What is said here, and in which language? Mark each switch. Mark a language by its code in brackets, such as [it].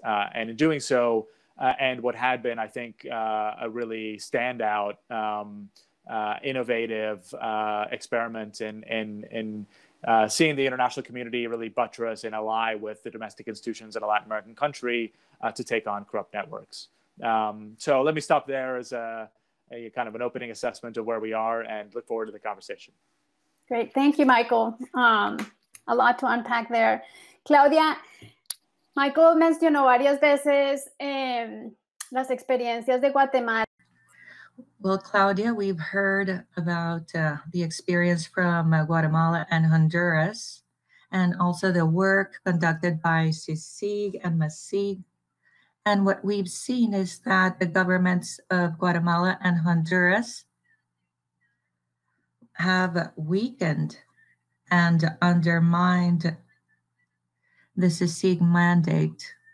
[en] And in doing so, and what had been, I think, a really standout, innovative experiment in seeing the international community really buttress and ally with the domestic institutions in a Latin American country to take on corrupt networks. So let me stop there as a kind of an opening assessment of where we are, and look forward to the conversation. Great. Thank you, Michael. A lot to unpack there. [es] Claudia, Michael mencionó varias veces las experiencias de Guatemala. [en] Well, Claudia, we've heard about the experience from Guatemala and Honduras, and also the work conducted by Cicig and Masig. And what we've seen is that the governments of Guatemala and Honduras have weakened and undermined the Cicig mandate.